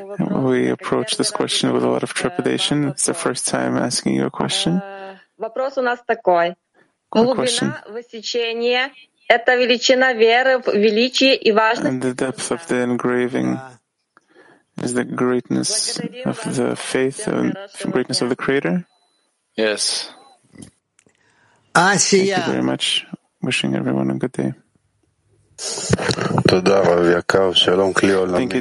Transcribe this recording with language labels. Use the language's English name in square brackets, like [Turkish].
[English] We approach this question with a lot of trepidation. It's the first time asking you a question. [Russian] Вопрос у нас такой. Глубина высечения — это величина веры в величие и важность. [English] And the depth of the engraving is the greatness of the faith and greatness of the Creator. Yes. Thank you very much. Wishing everyone a good day. Thank you,